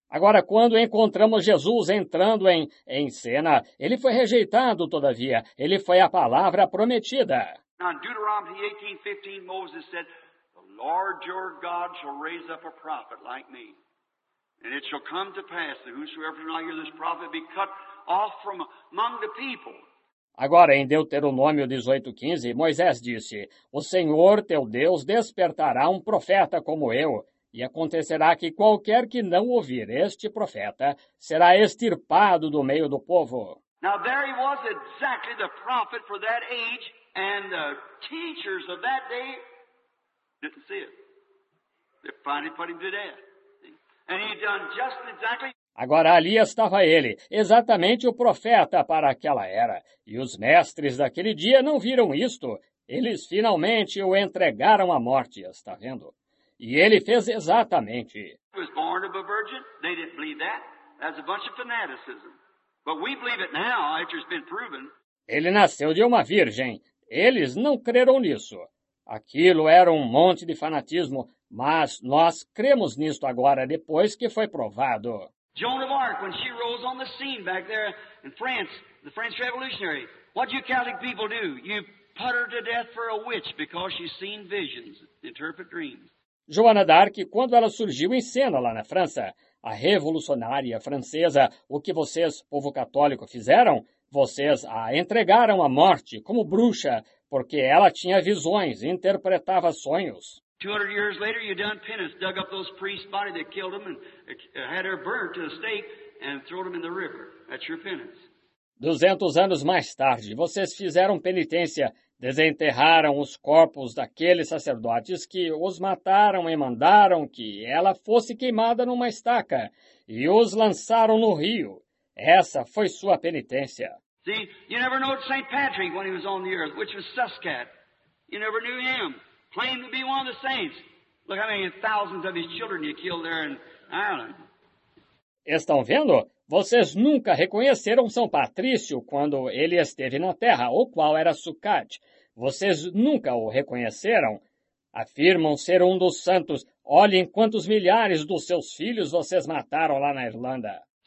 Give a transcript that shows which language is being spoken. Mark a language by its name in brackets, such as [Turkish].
[Portuguese] Agora, quando encontramos Jesus entrando em cena, ele foi rejeitado, todavia. Ele foi a palavra prometida. [English] Now, Deuteronomy 18:15, Moses said, "The Lord your God shall raise up a prophet like me. And it shall come to pass that whosoever shall not hear this prophet be cut off from among the people." [Portuguese] Agora, em Deuteronômio 18:15, Moisés disse, "O Senhor teu Deus despertará um profeta como eu. E acontecerá que qualquer que não ouvir este profeta será extirpado do meio do povo." [English] Now there he was exactly the prophet for that age, and the teachers of that day didn't see it. They finally put him to death. And he done just exactly. [Portuguese] Agora ali estava ele, exatamente o profeta para aquela era. E os mestres daquele dia não viram isto. Eles finalmente o entregaram à morte, está vendo? E ele fez exatamente. [English] He was born of a virgin. They didn't believe that. That's a bunch of fanaticism. But we believe it now, after it's been proven. [Portuguese] Ele nasceu de uma virgem. Eles não creram nisso. Aquilo era um monte de fanatismo, mas nós cremos nisto agora, depois que foi provado. [English] Joan of Arc, when she rose on the scene back there in France, the French Revolutionary, what do you Catholic people do? You put her to death for a witch because she's seen visions, interpret dreams. [Portuguese] Joana d'Arc, quando ela surgiu em cena lá na França, a revolucionária francesa, o que vocês, povo católico, fizeram? Vocês a entregaram à morte como bruxa, porque ela tinha visões, interpretava sonhos. [English] 200 years later, you done penance, dug up those priests' bodies that killed them and had her burnt to the stake and threw them in the river. That's your penance. [Portuguese] 200 anos mais tarde, vocês fizeram penitência, desenterraram os corpos daqueles sacerdotes que os mataram e mandaram que ela fosse queimada numa estaca e os lançaram no rio. Essa foi sua penitência. [English] See, you never knew St. Patrick when he was on the earth, which was Suscat. You never knew him. Claimed to be one of the saints. Look how many thousands of his children you killed there in Ireland. [Portuguese] Estão vendo? Vocês nunca reconheceram São Patrício quando ele esteve na Terra, o qual era Sucate. Vocês nunca o reconheceram? Afirmam ser um dos santos. Olhem quantos milhares dos seus filhos vocês mataram lá na Irlanda.